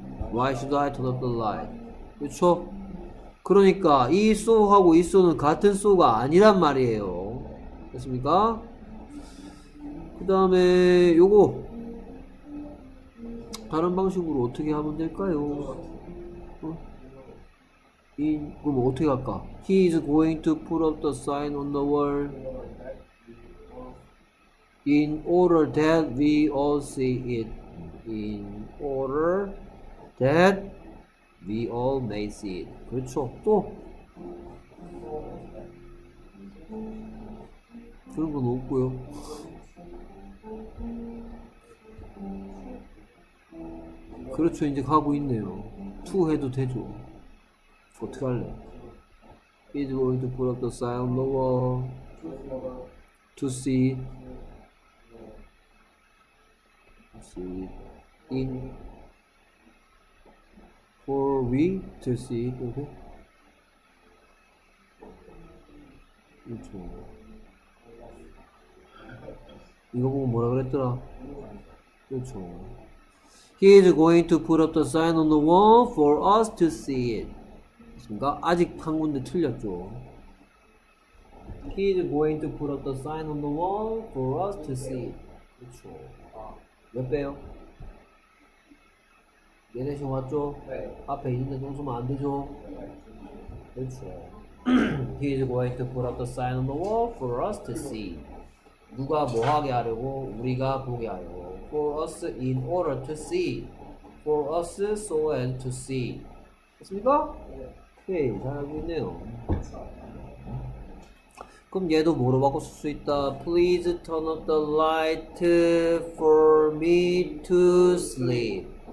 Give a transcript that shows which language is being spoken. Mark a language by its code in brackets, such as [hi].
[en] Why should I turn off the light? [ko] 그쵸? 그러니까 이 so하고 이 so는 같은 so가 아니란 말이에요. 됐습니까? 그 다음에 요거 다른 방식으로 어떻게 하면 될까요? 어? 이, 그럼 어떻게 할까? [en] He is going to put up the sign on the wall in order that we all see it. In order that we all may see it. [ko] 그렇죠. 또 그런 건 없고요. 그렇죠. 이제 가고 있네요. 2 해도 되죠. 어떻게 할래? [en] He's going to put up the sign on the wall to see in for we to see it. Okay. [ko] 그렇죠. 이거 보고 뭐라 그랬더라? 그렇죠. [en] He is going to put up the sign on the wall for us to see it. [ko] 그러니까 아직 한 군데 틀렸죠. [en] He is going to put up the sign on the wall for us to see it. [ko] 그렇죠. 몇 배요? 얘네 지금 왔죠? 네. 앞에 있는데 동수면 안 되죠? 그렇죠. [en] He is going to put up the sign on the wall for us to see. [ko] 누가 뭐 하게 하려고? 우리가 보게 하려고. [en] For us in order to see. For us so as to see. [ko] 됐습니까? 네. 오케이. 잘하고 있네요. 그럼 얘도 뭐로 바꿨을 수 있다? [en] Please turn up the light for me to sleep.